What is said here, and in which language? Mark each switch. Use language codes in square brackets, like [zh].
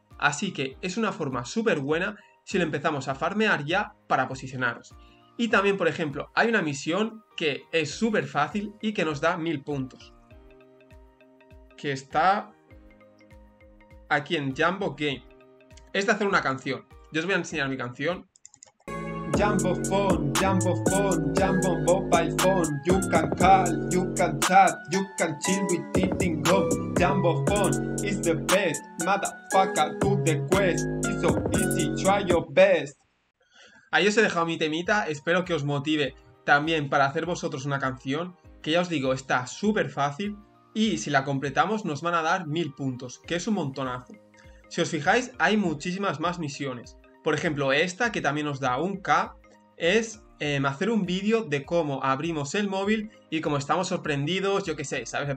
[es] Así que es una forma súper buena si lo empezamos a farmear ya para posicionaros. Y también, por ejemplo, hay una misión que es súper fácil y que nos da 1000 puntos. Que está aquí en Jumbo Game. Es de hacer una canción. Yo os voy a enseñar mi canción. [en] Jumbo phone, Jumbo phone, Jumbo mobile phone. You can call, you can chat, you can chill with eating gum. Jumbo phone is the best, motherfucker, do the quest. It's so easy, try your best. [es] Ahí os he dejado mi temita, espero que os motive también para hacer vosotros una canción, que ya os digo, está súper fácil y si la completamos nos van a dar 1000 puntos, que es un montonazo. Si os fijáis, hay muchísimas más misiones. Por ejemplo, esta, que también nos da 1K, es hacer un vídeo de cómo abrimos el móvil y cómo estamos sorprendidos, yo qué sé, ¿sabes?